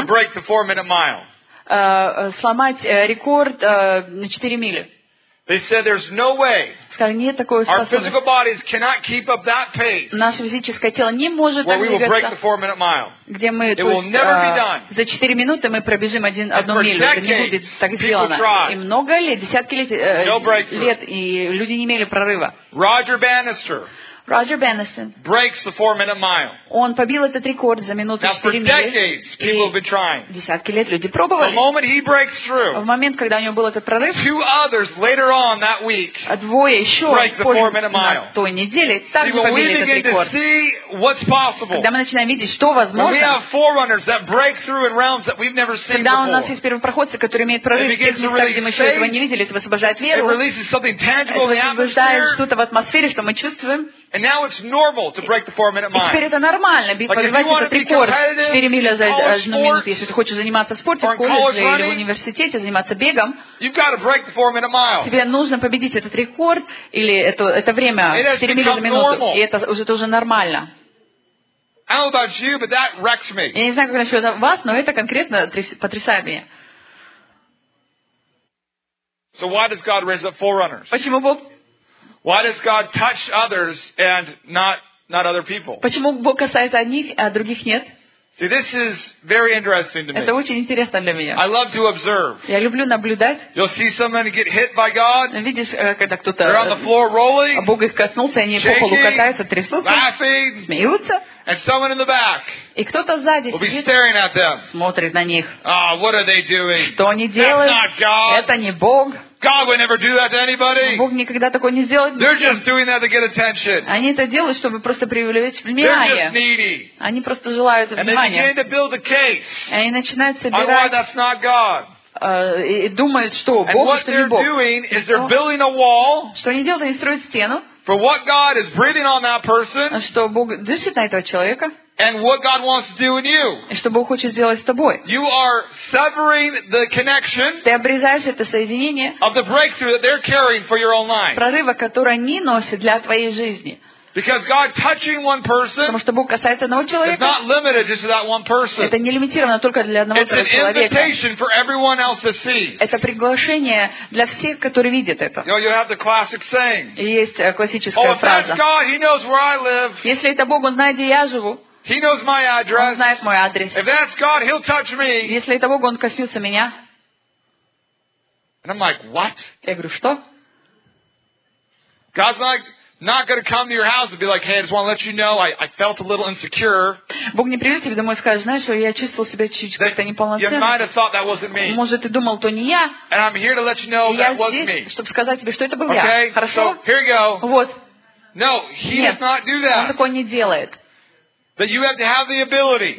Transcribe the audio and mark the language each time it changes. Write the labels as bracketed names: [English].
[English] To break the 4-minute mile. [Russian] Сломать рекорд на 4 мили. [English] They said there's no way. [Russian] Сказали, нет такой способности. [English] Our physical bodies cannot keep up that pace. [Russian] Наше физическое тело не может [English] двигаться. Where we will break the 4-minute mile. [Russian] Где мы, [English] it will never be done. [Russian] За 4 минуты мы пробежим одну милю. Это не будет так сделано. И много ли, десятки лет, лет и люди не имели прорыва. [English] Roger Bannister. Roger Bannister breaks the 4-minute mile. [Russian] Он побил этот рекорд за минуту 4 мили. [English] Now for decades, people have been trying. [Russian] Десятки лет люди пробовали. [English] The moment he breaks through. [Russian] В момент, когда у него был этот прорыв. [English] Two others later on that week. [Russian] Двое еще [English] break the 4-minute mile. [Russian] На той неделе также побили этот рекорд. [English] See, when we begin to see what's possible. [Russian] Когда мы начинаем видеть, что возможно. [English] When we have forerunners that break through in realms that we've never seen before. [Russian] Когда у нас есть первопроходцы, которые имеют прорыв в тех местах, где мы еще этого не видели, это освобождает веру. [English] It releases something tangible in the atmosphere. [Russian] Это освобождает что-то в атмосфере, что мы чувствуем. [English] And now it's normal to break the 4-minute mile. [Russian] Теперь это нормально побивать этот рекорд 4 мили за одну минуту. Если ты хочешь заниматься спортом в колледже или в университете, заниматься бегом, тебе нужно победить этот рекорд или это время 4 мили за минуту. И это уже тоже нормально. [English] I don't know about you, but that wrecks me. [Russian] Я не знаю, как насчет вас, но это конкретно потрясает меня. [English] So why does God raise up forerunners? [Russian] Почему Бог... [English] Why does God touch others and not other people? [Russian] Почему Бог касается одних, а других нет? [English] See, this is very interesting to me. [Russian] Это очень интересно для меня. [English] I love to observe. [Russian] Я люблю наблюдать. [English] You'll see someone get hit by God. [Russian] Видишь, когда кто-то. [English] They're on the floor rolling. [Russian] А Бог их коснулся, они по полу катаются, трясутся. [English] Laughing. [Russian] Смеются. [English] And someone in the back. [Russian] И кто-то сзади сидит. [English] Will be staring at them. [Russian] Смотрит на них. [English] Ah, what are they doing? [Russian] Что они делают? [English] That's not God. [Russian] Это не Бог. [English] God would never do that to anybody. [Russian] Бог никогда такого не сделает. [English] They're just doing that to get attention. [Russian] Они это делают, чтобы просто привлечь внимание. [English] They're just needy. [Russian] Они просто желают внимания. [English] And they begin to build a case. [Russian] Они начинают собирать. [English] On why that's not God. [Russian] И думают, что Бог, что не Бог. [English] And what they're doing is they're building a wall. [Russian] Что они делают? Они строят стену. [English] For what God is breathing on that person. [Russian] Что Бог дышит на этого человека? [English] And what God wants to do in you. [Russian] И что Бог хочет сделать с тобой. [English] You are severing the connection. [Russian] Ты обрезаешь это соединение. [English] Of the breakthrough that they're carrying for your own life. [Russian] Прорыва, который они носят для твоей жизни. [English] Because God touching one person. [Russian] Потому что Бог касается одного человека. [English] Is not limited just to that one person. [Russian] Это не лимитировано только для одного человека. [English] It's an invitation for everyone else to see. [Russian] Это приглашение для всех, которые видят это. [English] You have the classic saying. [Russian] Есть классическая фраза. [English] Oh, if that's God, He knows where I live. [Russian] Если это Бог, Он знает, где я живу. [English] He knows my address. [Russian] Он знает мой адрес. [English] If that's God, He'll touch me. [Russian] Если это Бог, Он коснется меня. [English] And I'm like, what? [Russian] Я говорю, что? [English] God's like, not going to come to your house and be like, hey, I just want to let you know, I felt a little insecure. [Russian] Бог не придет тебе домой и скажет, знаешь, я чувствовал себя чуть-чуть как-то неполноценно. [English] You might have thought that wasn't me. [Russian] Может, ты думал, то не я. [English] And I'm here to let you know [Russian] и [English] that was [Russian] здесь, [English] me. [Russian] Чтобы сказать тебе, что это был [English] okay? [Russian] Я. [English] Okay. [Russian] Хорошо. [English] So, here you go. [Russian] Вот. [English] No, He [Russian] Нет, [English] does not do that. [Russian] Он такое не делает. [English] That you have to have the ability.